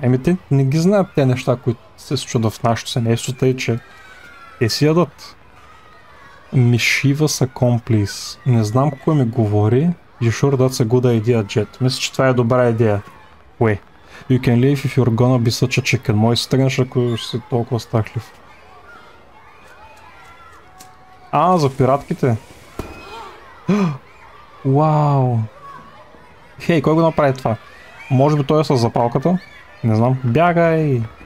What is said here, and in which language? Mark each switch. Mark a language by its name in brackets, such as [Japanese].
[Bulgarian] Еми те не ги знаят те неща, които се случват в нашето семейство, тъй че те си ядат. [English] Mischievous accomplice. [Bulgarian] Не знам кой ми говори. [English] You sure that's a good idea, Jet? [Bulgarian] Мисля, че това е добра идея. Уе. [English] You can leave if you're gonna be such a chicken. [Bulgarian] Може да се тръгнеш, ако си толкова страхлив. А, за пиратките. Вау. Хей, кой го направи това? Може би той е с запалката? Не знам. Бягай!